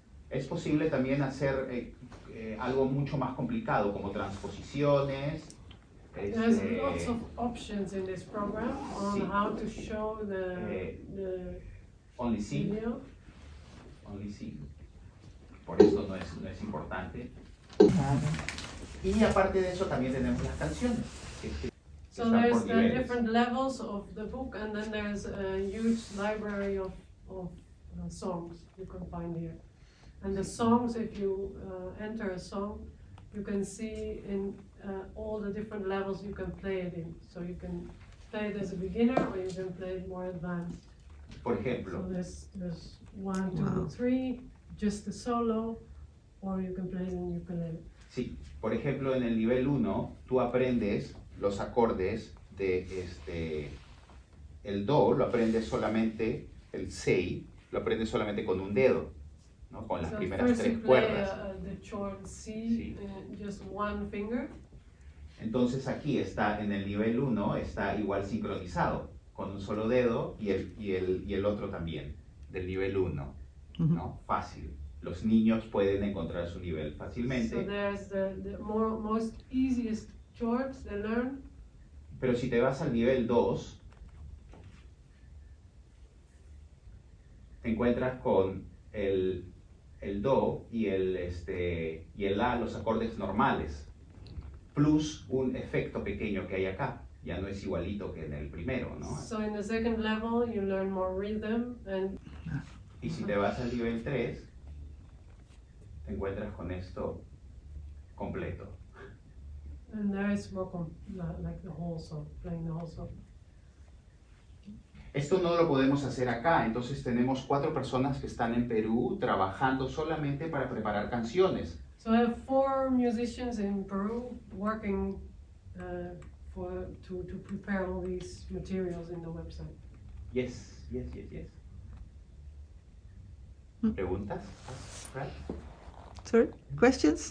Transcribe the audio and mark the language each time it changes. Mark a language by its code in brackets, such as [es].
[es] Es posible también hacer algo mucho más complicado, como transposiciones. [en] There's lots of options in this program on sí. How to show the only sing. Video. Only sing. [es] Por eso no es, no es importante. Y aparte de eso también tenemos las canciones. [en] So there's the different levels of the book, and then there's a huge library of songs you can find here. And the songs, if you enter a song, you can see in all the different levels you can play it in. So you can play it as a beginner, or you can play it more advanced. [es] Por ejemplo. [en] So there's one, two, wow. three, just the solo, or you can play it in ukulele. [es] Sí, por ejemplo, en el nivel 1, tú aprendes los acordes de el do, lo aprendes solamente, el sei, lo aprendes solamente con un dedo, ¿no? Con las [en] so [es] primeras tres [en] play, [es] cuerdas. [en] The chord C, sí. Just one finger. [es] Entonces aquí está, en el nivel 1, está igual sincronizado, con un solo dedo y el otro también, del nivel 1, mm-hmm. ¿no? Fácil. Los niños pueden encontrar su nivel fácilmente. [en] So there's the more, most easiest chords they learn. [es] Pero si te vas al nivel 2, te encuentras con el do y el la, los acordes normales, plus un efecto pequeño que hay acá. Ya no es igualito que en el primero, ¿no? [en] So in the second level, you learn more rhythm and... [es] Y si te vas al nivel 3, encuentras con esto completo. [en] And there is more like the whole song, playing the whole song. [es] Esto no lo podemos hacer acá, entonces tenemos cuatro personas que están en Perú trabajando solamente para preparar canciones. [en] So I have four musicians in Peru working to prepare all these materials in the website. Yes. [es] ¿Preguntas? [en] Right. Sorry, questions?